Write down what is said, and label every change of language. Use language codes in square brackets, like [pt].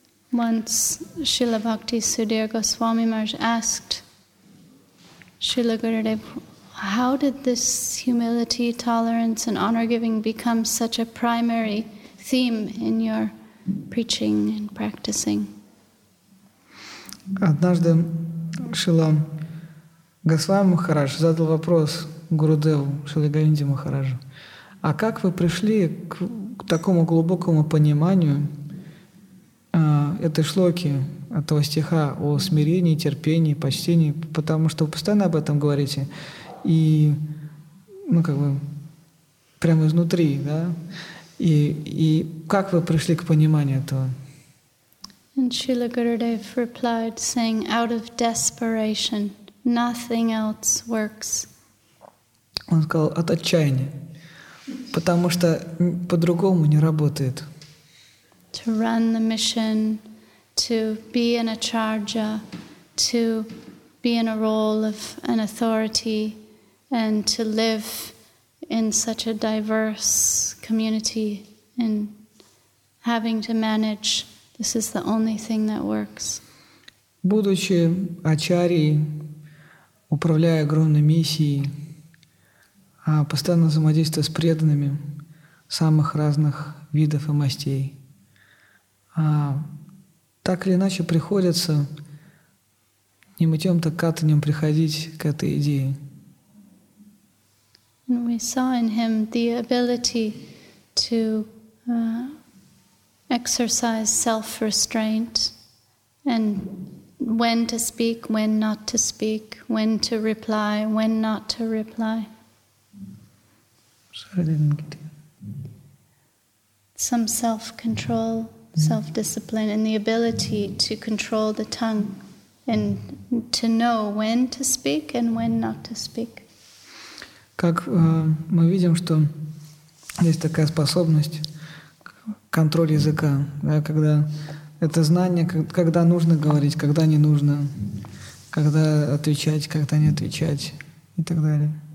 [en] Once Srila Bhakti Sudhir Goswami Maharaj asked Srila Gurudev, how did this humility, tolerance, and honor giving become such a primary theme in your preaching and practicing? [ru] Однажды Шрила Госвами Махарадж задал вопрос Гурудеву Шрила Говинде Махараджу: а как вы пришли к такому глубокому пониманию этой шлоки, этого стиха о смирении, терпении, почтении, потому что вы постоянно об этом говорите, и ну как бы прямо изнутри, да? И как вы пришли к пониманию этого? [en] And Srila Gurudev replied, saying, out of desperation, nothing else works. [ru] Он сказал, от отчаяния, потому что по-другому не работает. [en] To run the mission, to be in a charge, to be in a role of an authority, and to live in such a diverse community, in having to manage, this is the only thing that works. [ru] Будучи ачарьей, управляя огромной миссией, постоянно взаимодействуя с преданными самых разных видов и мастей, так или иначе приходится не мытьем, так катанем приходить к этой идее. [en] And we saw in him the ability to exercise self-restraint and when to speak, when not to speak, when to reply, when not to reply. Sorry, I didn't get you. Some self-control, self-discipline, and the ability to control the tongue and to know when to speak and when not to speak. [ru] Как мы видим, что есть такая способность контроля языка, да, когда это знание, когда нужно говорить, когда не нужно, когда отвечать, когда не отвечать и так далее.